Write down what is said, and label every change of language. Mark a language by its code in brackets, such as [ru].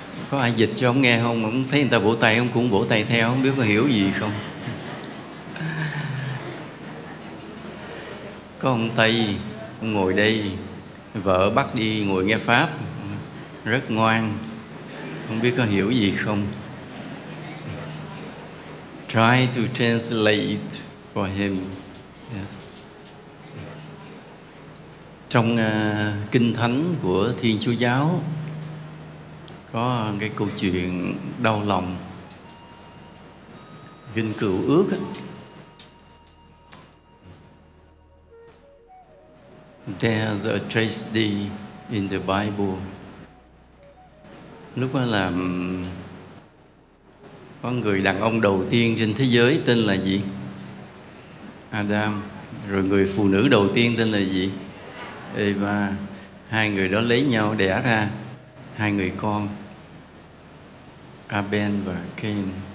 [vi] Có ai dịch cho ông nghe không? Ông thấy người ta vỗ tay, ông cũng vỗ tay theo, không biết có hiểu gì không. Có ông Tây, ông ngồi đây, vợ bắt đi ngồi nghe Pháp, rất ngoan, không biết có hiểu gì không. [en] Try to translate for him. Yes. [vi] Trong Kinh Thánh của Thiên Chúa Giáo có cái câu chuyện đau lòng, Kinh Cựu Ước ấy. [en] There's a tragedy in the Bible. [vi] Lúc đó là có người đàn ông đầu tiên trên thế giới tên là gì? Adam. Rồi người phụ nữ đầu tiên tên là gì? Eva. Hai người đó lấy nhau đẻ ra hai người con, Abel và Cain.